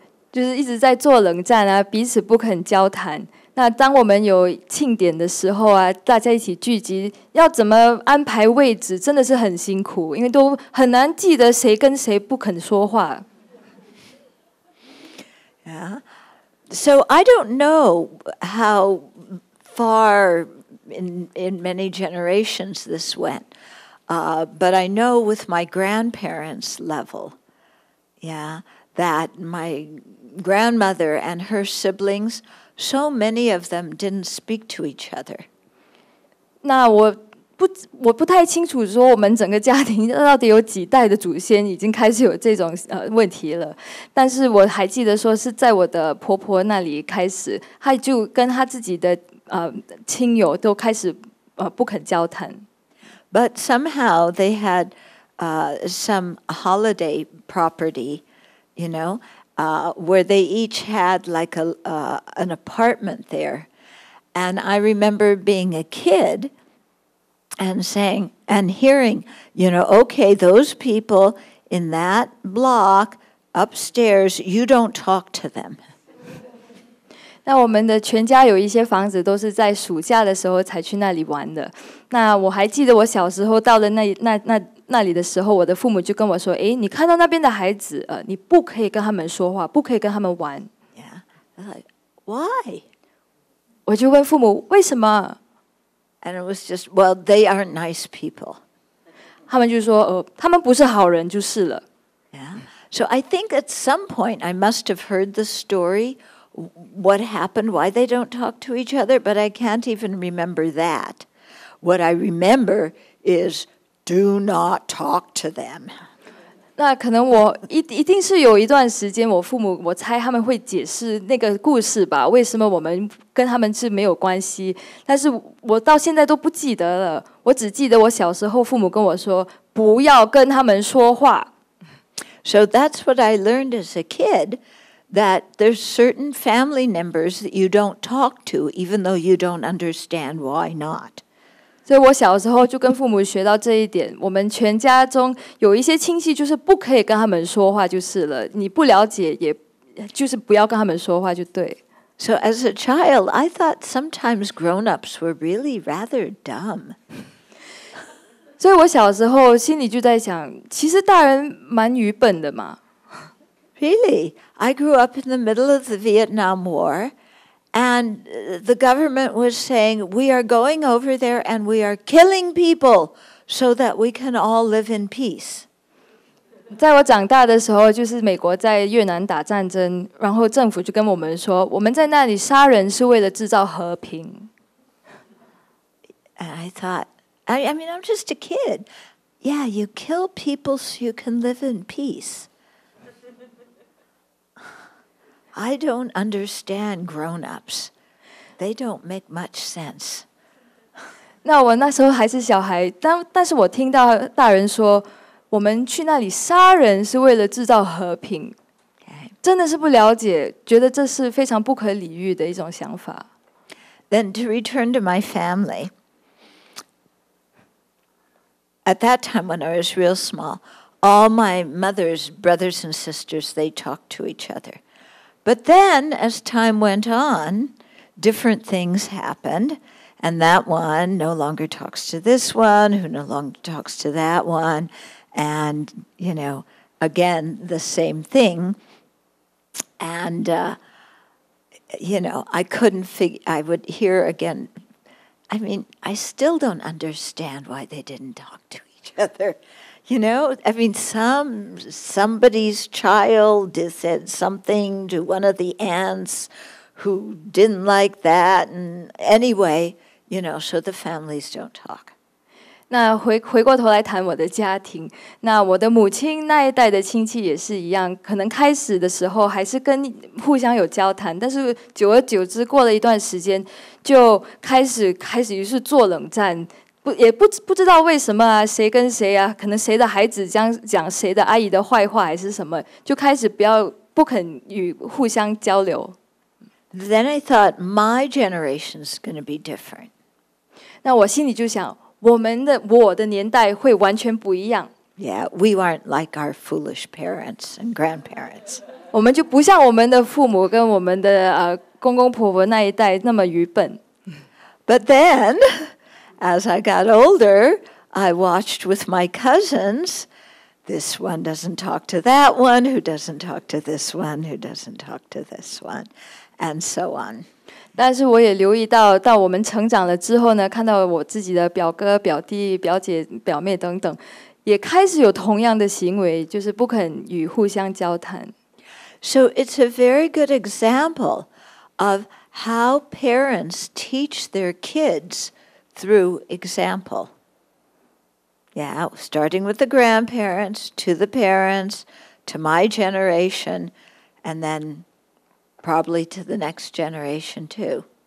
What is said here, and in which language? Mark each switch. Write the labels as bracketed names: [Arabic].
[Chinese] 就是一直在做冷战啊，彼此不肯交谈。那当我们有庆典的时候啊，大家一起聚集，要怎么安排位置，真的是很辛苦，因为都很难记得谁跟谁不肯说话。 [English] Yeah. So I don't know how far in many generations this went, but I know with my grandparents' level, yeah, that my grandmother and her siblings, so many of them didn't speak to each other. [Chinese] 那我我不太清楚说我们整个家庭到底有几代的祖先已经开始有这种问题了，但是我还记得说是在我的婆婆那里开始，她就跟她自己的亲友都开始不肯交谈。 [English] But somehow they had some holiday property, you know, where they each had like an apartment there. And I remember being a kid and saying and hearing, you know, okay, those people in that block upstairs, you don't talk to them. [Chinese] 那我们的全家有一些房子都是在暑假的时候才去那里玩的。那我还记得我小时候到了那里的时候，我的父母就跟我说，诶，你看到那边的孩子，你不可以跟他们说话，不可以跟他们玩。 [English] Yeah. Why? [Chinese] 我就问父母，为什么？ [English] And it was just, well, they aren't nice people. [Chinese] 他们就说，他们不是好人就是了。 [English] Yeah. So I think at some point I must have heard the story, what happened, why they don't talk to each other, but I can't even remember that. What I remember is, do not talk to them. [Chinese] 那可能我一定是有一段时间，我父母我猜他们会解释那个故事吧，为什么我们跟他们是没有关系，但是我到现在都不记得了，我只记得我小时候父母跟我说不要跟他们说话。 [English] So that's what I learned as a kid, that there's certain family members that you don't talk to, even though you don't understand why not. [Chinese] 所以我小时候就跟父母学到这一点，我们全家中有一些亲戚就是不可以跟他们说话就是了，你不了解也就是不要跟他们说话就对。 [English] So as a child, I thought sometimes grown-ups were really rather dumb. [Chinese] 所以我小时候心里就在想，其实大人蛮愚笨的嘛。 [English] Really, I grew up in the middle of the Vietnam War, and the government was saying, we are going over there and we are killing people so that we can all live in peace. [Chinese] 在我长大的时候，就是美国在越南打战争，然后政府就跟我们说，我们在那里杀人是为了制造和平。 [English] And I thought, I mean, I'm just a kid. Yeah, you kill people so you can live in peace. I don't understand grown-ups. They don't make much sense. [Chinese] 那我那时候还是小孩，但是我听到大人说，我们去那里杀人是为了制造和平。 [English] Okay. [Chinese] 真的是不了解，觉得这是非常不可理喻的一种想法。 [English] Then to return to my family. At that time when I was real small, all my mother's brothers and sisters, they talked to each other. But then, as time went on, different things happened, and that one no longer talks to this one, who no longer talks to that one, and, you know, again, the same thing. And, you know, I couldn't figure, I would hear again, I mean, I still don't understand why they didn't talk to each other. You know, I mean, somebody's child said something to one of the aunts who didn't like that. And anyway, you know, so the families don't talk. [Chinese] 那回过头来谈我的家庭，那我的母亲那一代的亲戚也是一样，可能开始的时候还是跟互相有交谈，但是久而久之过了一段时间，就开始于是做冷战。不知道为什么啊，谁跟谁啊，可能谁的孩子讲谁的阿姨的坏话还是什么，就开始不肯与互相交流。 [English] Then I thought my generation's going to be different. [Chinese] 那我心里就想，我的年代会完全不一样。 [English] Yeah, we aren't like our foolish parents and grandparents. [Chinese] 我们就不像我们的父母跟我们的公公婆婆那一代那么愚笨。 [English] But then... As I got older, I watched with my cousins. This one doesn't talk to that one, who doesn't talk to this one, who doesn't talk to this one, and so on. [Chinese] 但是我也留意到我们成长了之后呢，看到我自己的表哥、表弟、表姐、表妹等等，也开始有同样的行为，就是不肯与互相交谈。 [English] So it's a very good example of how parents teach their kids.Through example. Yeah, starting with the grandparents, to the parents, to my generation, and then probably to the next generation too.